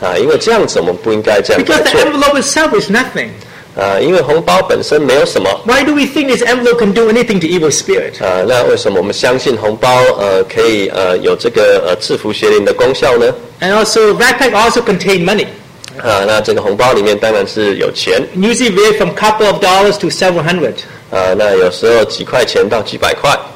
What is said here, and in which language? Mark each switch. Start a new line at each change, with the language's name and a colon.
Chinese: 因为这样子我们不应该这样做。
English: Because the envelope itself is nothing.
Chinese: 因为红包本身没有什么。
English: Why do we think this envelope can do anything to evil spirit?
Chinese: 那为什么我们相信红包可以有这个制服邪灵的功效呢？
English: And also, red pack also contain money.
Chinese: 那这个红包里面当然是有钱。
English: Usually vary from couple of dollars to several hundred.
Chinese: 那有时候几块钱到几百块。